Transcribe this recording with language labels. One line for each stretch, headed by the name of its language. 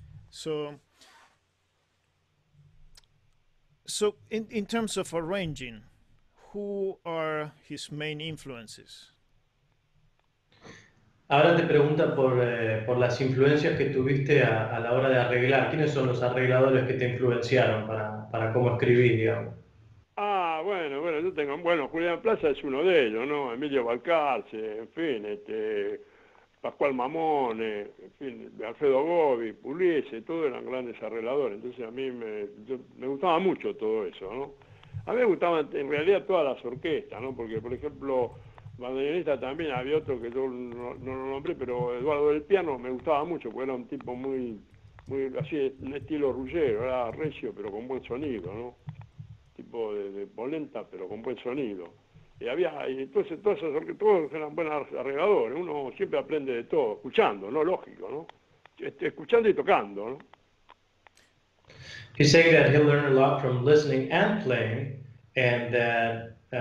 English: So in terms of arranging, who are his main influences?
Spanish: Ahora te pregunta por las influencias que tuviste a la hora de arreglar. ¿Quiénes son los arregladores que te influenciaron para cómo escribir, digamos? Ah, bueno, yo tengo... Bueno, Julián Plaza es uno de ellos, ¿no? Emilio Balcarce, en fin, Pascual Mamone, en fin, Alfredo Gobi, Pugliese, todos eran grandes arregladores. Entonces a mí me gustaba mucho todo eso, ¿no? A mí me gustaban en realidad todas las orquestas, ¿no? Porque, por ejemplo... Bandoneonista también, había otro que yo no lo nombré, pero Eduardo del Piano me gustaba mucho, porque era un tipo muy, muy así, un estilo Ruggero, era recio, pero con buen sonido, ¿no? Tipo de polenta, pero con buen sonido. Y había, y entonces todos eran buenos arregladores, uno siempre aprende de todo, escuchando, ¿no? Lógico, ¿no? Escuchando y tocando, ¿no?
English: He's saying that he learned a lot from listening and playing, and that...